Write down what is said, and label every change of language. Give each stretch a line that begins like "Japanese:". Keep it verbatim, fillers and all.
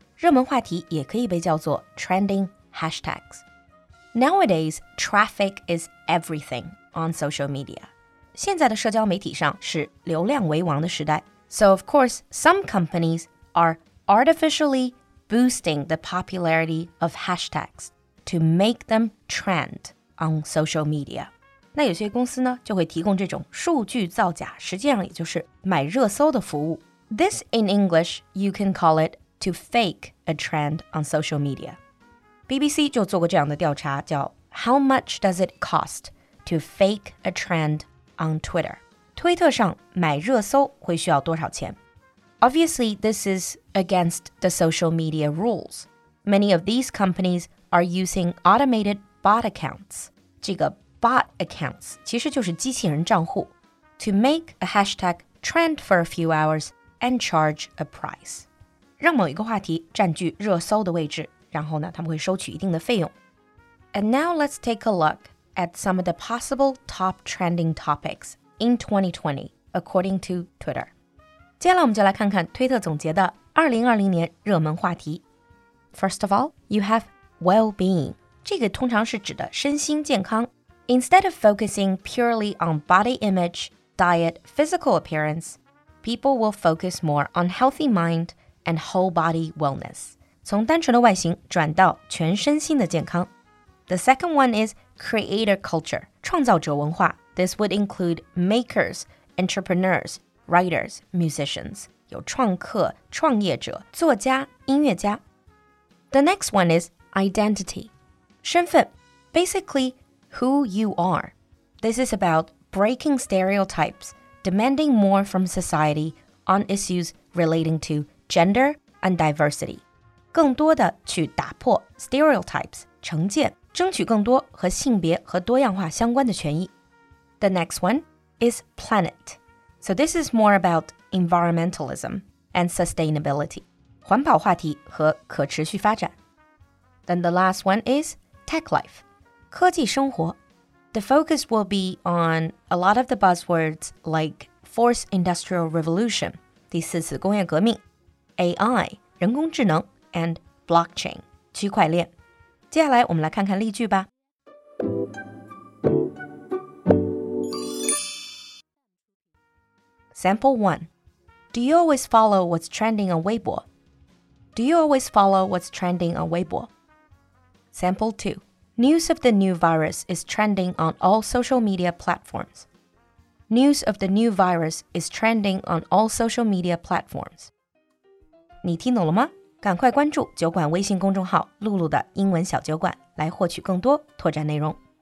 Chinese: 热门话题也可以被叫做 trending hashtags.
English: Nowadays, traffic is everything on social media.
Chinese: 现在的社交媒体上是流量为王的时代。
English: So of course, some companies are artificially boosting the popularity of hashtags to make them trend on social media.
Chinese: 那有些公司呢，就会提供这种数据造假，实际上也就是买热搜的服务。
English: This in English, you can call it to fake a trend on social media. B B C
Chinese: 就做过这样的调查，叫
English: How much does it cost to fake a trend on Twitter?
Chinese: 推特上买热搜会需要多少钱？
English: Obviously, this is against the social media rules. Many of these companies are using automated bot accounts. 这个 bot accounts
Chinese: 其实就是机器人账户
English: to make a hashtag trend for a few hours and charge a price.
Chinese: 让某一个话题占据热搜的位置，然后呢，他们会收取一定的费用。
English: And now let's take a look. at some of the possible top trending topics in twenty twenty, according to Twitter.
Chinese: 接下来我们就来看看推特总结的二零二零年热门话题。
English: First of all, you have well-being.
Chinese: 这个通常是指的身心健康。
English: Instead of focusing purely on body image, diet, physical appearance, people will focus more on healthy mind and whole body wellness.
Chinese: 从单纯的外形转到全身心的健康。
English: The second one is creator culture,
Chinese: 创造者文化。
English: This would include makers, entrepreneurs, writers, musicians.
Chinese: 有创客、创业者、作家、音乐家。
English: The next one is identity, 身份。Basically, who you are. This is about breaking stereotypes, demanding more from society on issues relating to gender and diversity.
Chinese: 更多的去打破 stereotypes, 成见。争取更多和性别和多样化相关的权益。
English: The next one is planet. So this is more about environmentalism and sustainability.
Chinese: 环保话题和可持续发展。
English: Then the last one is tech life.
Chinese: 科技生活。
English: The focus will be on a lot of the buzzwords like fourth industrial revolution, 第四次工业革命, A I, 人工智能 and blockchain, 区块链。
Chinese: 接下来我们来看看例句吧。
English: Sample one. Do you always follow what's trending on Weibo? Do you always follow what's trending on Weibo? Sample two. News of the new virus is trending on all social media platforms. News of the new virus is trending on all social media platforms.
Chinese: 你听懂了吗？赶快关注酒馆微信公众号露露的英文小酒馆来获取更多拓展内容。